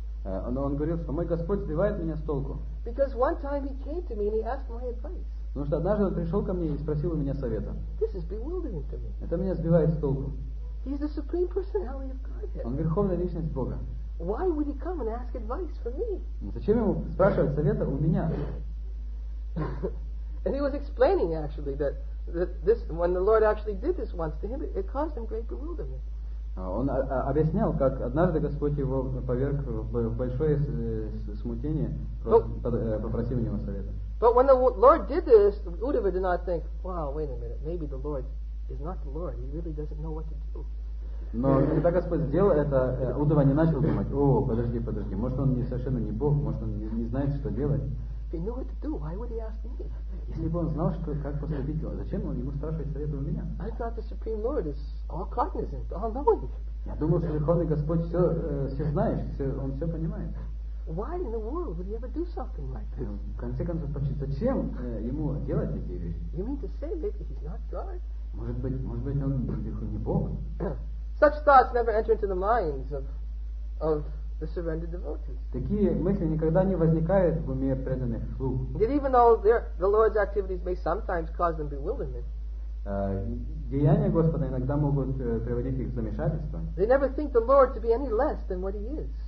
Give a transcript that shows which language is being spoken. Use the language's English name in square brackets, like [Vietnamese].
[Russian] Он говорил, что мой Господь сбивает меня с толку. [English] Because one time he came to me and he asked my advice. [Russian] Потому что однажды он пришел ко мне и спросил у меня совета. [English] This is bewildering to me. [Russian] Это меня сбивает с толку. [English] He's the supreme personality of Godhead. [Russian] Он верховная личность Бога. [English] Why would he come and ask advice for me? [Russian] Зачем ему спрашивать совета у меня? [English] And he was explaining actually that this when the Lord actually did this once to him, it caused him great bewilderment. [Russian] Он объяснял, как однажды Господь его поверг в большое смутение, попросив у него совета. [English] But when the Lord did this, Uddhava did not think, "Wow, wait a minute, maybe the Lord." Is not the Lord. He really doesn't know what to do. [Russian] Но когда Господь сделал это, Уддхава не начал думать. О, подожди. Может, он совершенно не Бог. Может, он не знает, что делать. [English] If he knew what to do, why would he ask me? [Russian] Если бы он знал, что как поступить, зачем он ему спрашивает совета у меня? [English] I thought the Supreme Lord is all cognizant, all knowing. [Russian] Я думал, что Верховный Господь все знает, он все понимает. [English] Why in the world would he ever do something like this? [Russian] В конце концов, зачем ему делать такие вещи? [English] You mean to say that he's not God? [Russian] Может быть, он далеко не Бог. [English] Such thoughts never enter into the minds of the surrendered devotees. [Russian] Такие мысли никогда не возникают в уме преданных слуг. [English] Yet even though the Lord's activities may sometimes cause them bewilderment, [Russian] деяния Господа иногда могут приводить их в замешательство. [English] They never think the Lord to be any less than what he is.